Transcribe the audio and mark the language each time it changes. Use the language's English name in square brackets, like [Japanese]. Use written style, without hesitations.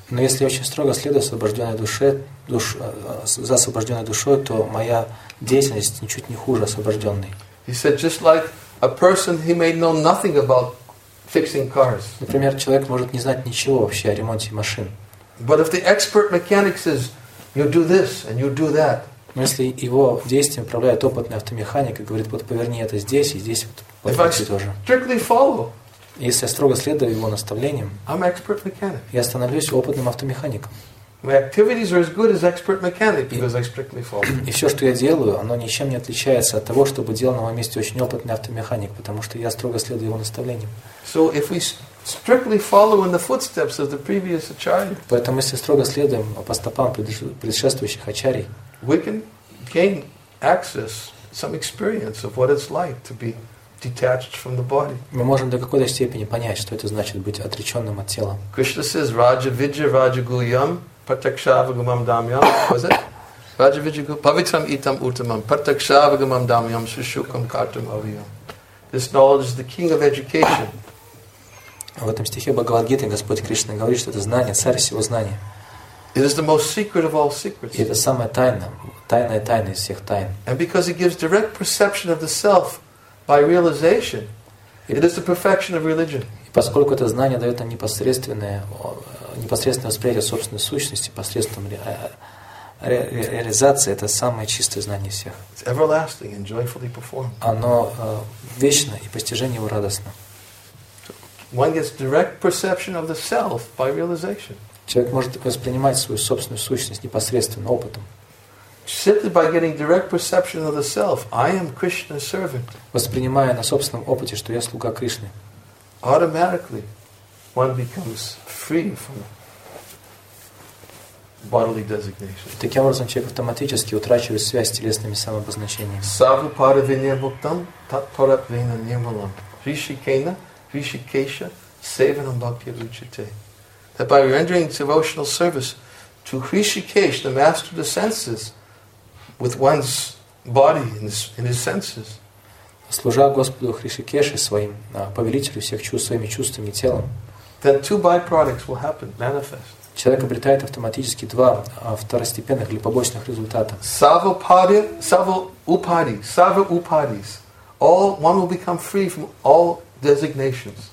[Russian] Но если я очень строго следую освобожденной душе, за освобожденной душой, то моя деятельность ничуть не хуже освобожденной. [English] He said, just like a person, he may know nothing about fixing cars. [Russian] Например, человек может не знать ничего вообще о ремонте машин. [English] But if the expert mechanic says, you do this and you do that. [Russian] Но если его действием управляет опытный автомеханик и говорит, вот поверни это здесь и здесь, вот поверни тоже. [English] Strictly follow. [Russian] Если я строго следую его наставлениям, [English] I'm expert mechanic. [Russian] Я становлюсь опытным автомехаником. [English] My activities are as good as expert mechanic because I strictly follow. [Russian] И все, что я делаю, оно ничем не отличается от того, чтобы делал на моем месте очень опытный автомеханик, потому что я строго следую его наставлениям. [English] So if we strictly follow in the footsteps of the previous acharya. [Russian] Поэтому если строго следуем по стопам предшествующих ачарий, [English] we can gain access, some experience of what it's like to be detached from the body. [Russian] Мы можем до какой-то степени понять, что это значит быть отреченным от тела. [English] Krishna says, [Sanskrit] "Raja vidya raja guyam pratakshavagamam damyam." [English] Was it? [Sanskrit] Raja vidya pavitram itam utamam pratakshavagamam damyam sushukam kartam aviyam. [English] This knowledge is the king of education. [Russian] В этом стихе Бхагавад-гиты Господь Кришна говорит, что это знание, царь всего знания. [English] It is the most secret of all secrets. [Russian] И это самая тайная тайна из всех тайн. [English] And because it gives direct perception of the self by realization, it is the perfection of religion. [Russian] И поскольку это знание дает нам непосредственное восприятие собственной сущности посредством реализации, это самое чистое знание всех. [English] It's everlasting and joyfully performed. [Russian] Оно вечно и постижение его радостно. [English] One gets direct perception of the self by realization. [Russian] Человек может воспринимать свою собственную сущность непосредственно опытом. [English] Simply by getting direct perception of the self, I am Krishna's servant. [Russian] Воспринимая на собственном опыте, что я слуга Кришны. [English] Automatically, one becomes free from bodily designation. [Russian] Таким образом, человек автоматически утрачивает связь с телесными самообозначениями. [Sanskrit] Сарва пара винья муктам тат пара вина нирмалам ришикена ришикеша севанам бхакти ручите. [English] That by rendering devotional service to Hrishikesh, the master of the senses, with one's body in his senses. [Russian] Служа Господу Хришикеше своим, повелителю всех чувств, своими чувствами и телом. [English] Then two byproducts will happen, manifest. [Russian] Человек обретает автоматически два второстепенных или побочных результата. [Sanskrit] Сава упадис. [English] All one will become free from all designations.